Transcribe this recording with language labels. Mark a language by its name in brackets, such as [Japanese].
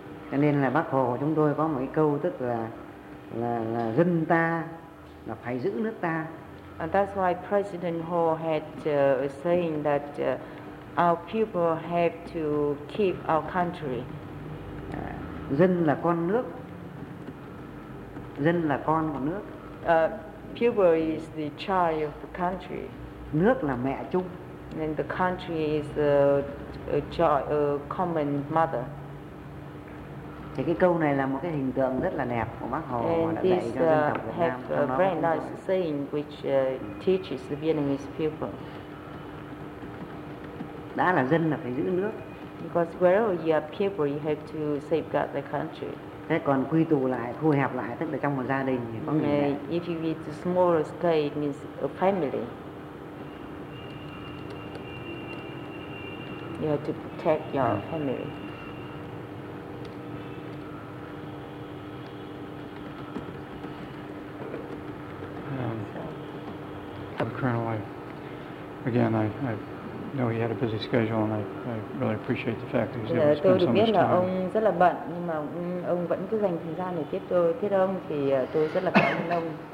[Vietnamese] Cho nên là Bác Hồ của chúng tôi có một cái câu tức là dân ta là phải giữ nước ta. [English] And that's why President Ho had saying that our people have to keep our country. [Vietnamese] Dân là con nước. Dân là con của nước. [English] People is the child of the country. [Vietnamese] Nước là mẹ chung. [English] And the country is a common mother. [Vietnamese] Thì cái câu này là một cái hình tượng rất là đẹp của Bác Hồ [English] and [Vietnamese] đã dạy cho dân tộc Việt Nam. [English] A very nice saying which teaches the Vietnamese people. [Vietnamese] Đã là dân là phải giữ nước. [English] Because wherever you are people, you have to safeguard the country. [Vietnamese] Thế còn quy tụ lại, thu hẹp lại, tức là trong một gia đình thì có người mẹ. [English] If you eat the smaller scale, it means a family. You have to protect your family. Colonel, I know he had a busy schedule, and I really appreciate the fact that he's able to spend so much time. [Vietnamese] Tôi biết là ông rất là bận, nhưng mà ông vẫn cứ dành thời gian để tiếp tôi. Tiếp ông thì tôi rất là cảm ơn ông.